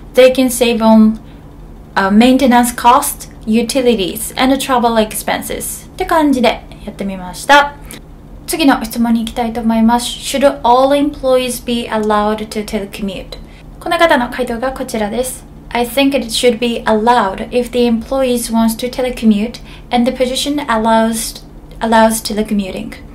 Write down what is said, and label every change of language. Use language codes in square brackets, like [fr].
[en] They can save on maintenance costs, utilities, and travel expenses. [ja] って感じでやってみました。次の質問に行きたいと思います。 [en] Should all employees be allowed to telecommute? [ja] この方の回答がこちらです。 [en] I think it should be allowed if the employees wants to telecommute and the position allows telecommuting.